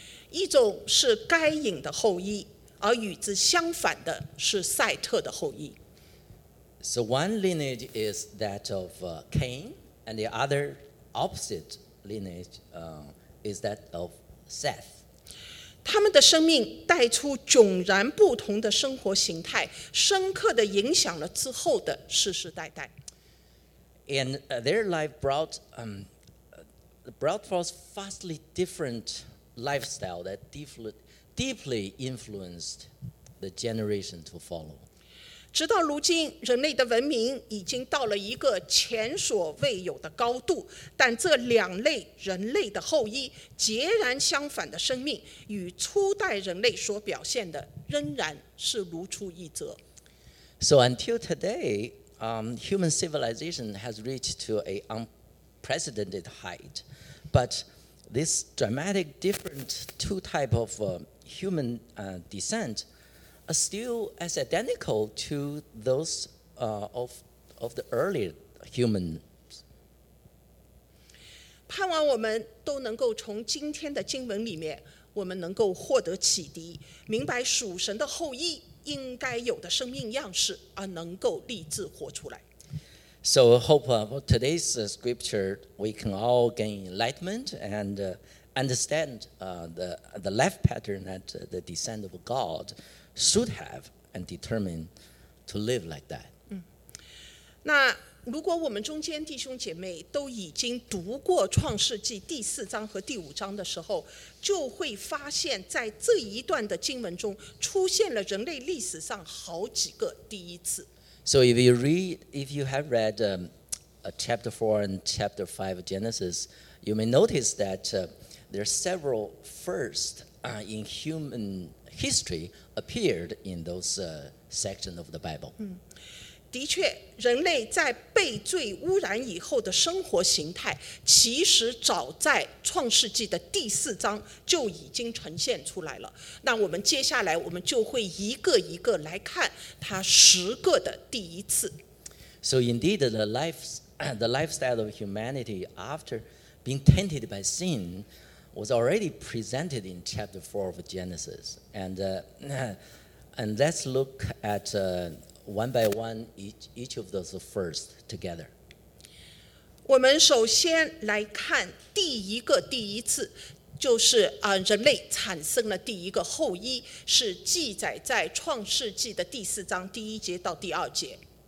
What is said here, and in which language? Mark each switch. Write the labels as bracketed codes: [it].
[zh] 一种是该隐的后裔，而与之相反的是赛特的后裔。 [en] So one lineage is that of Cain, and the other opposite lineage is that of Seth. [zh] 他们的生命带出迥然不同的生活形态，深刻地影响了之后的世世代代。 [en] And their life brought forth vastly different lifestyle that deeply influenced the generation to follow. [zh] 直到如今，人类的文明已经到了一个前所未有的高度，但这两类人类的后裔截然相反的生命与初代人类所表现的仍然是如出一辙。 [en] So until today, human civilization has reached to an unprecedented height, but this dramatic different two type of human descentare still as identical to those of the earlier humans. [zh] 盼望我们都能够从今天的经文里面，我们能够获得启迪，明白属神的后裔应该有的生命样式，而能够立志活出来。 [en] So hope of today's scripture, we can all gain enlightenment and understand the life pattern that the descendant of God should have and determine to live like that. [zh] 那如果我们中间弟兄姐妹都已经读过创世纪第四章和第五章的时候，就会发现在这一段的经文中出现了人类历史上好几个第一次。 [en] So if you read, if you have read chapter 4 and chapter 5 of Genesis, you may notice that there are several firsts in human history appeared in those sections of the Bible. [zh] 的确，人类在被罪污染以后的生活形态，其实早在创世纪的第四章就已经呈现出来了。那我们接下来，我们就会一个一个来看它十个的第一次。 [en] So indeed, the lifestyle of humanity after being tainted by sin was already presented in chapter 4 of Genesis. And let's look at one by one, each of those first together. [zh] 我们首先来看第一个第一次，就是人类产生了第一个后裔，是记载在创世纪的第四章第一节到第二节。